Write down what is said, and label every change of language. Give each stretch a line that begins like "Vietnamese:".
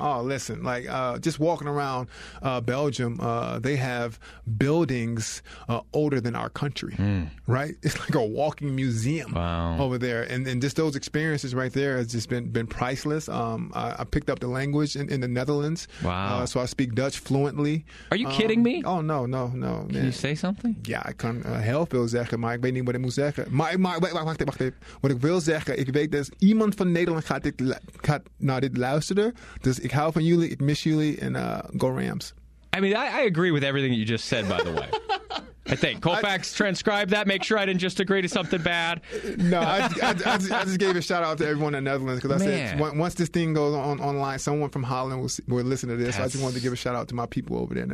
English: Oh, listen, like just walking around Belgium, they have buildings older than our country, right? It's like a walking museum over there. And just those experiences right there has just been priceless. I picked up the language in the Netherlands. Wow. So I speak Dutch fluently. Are you kidding me? Oh, no. Can you say something? Yeah, I can.
Dutch: Heel veel zeggen, maar ik weet niet wat ik moet zeggen. Wacht even. Wat ik wil zeggen, ik weet dat iemand van Nederland gaat dit luisteren. Dus ik hou van jullie, ik mis jullie, en
English: go Rams. I mean, I agree with everything you just said, by the way. I think. Colfax, transcribe that. Make sure I didn't just agree to something bad. No, I just gave a shout-out to everyone in the Netherlands because I said once this thing goes online, someone from Holland will listen to this. So I just wanted to give a shout-out to my people over there in the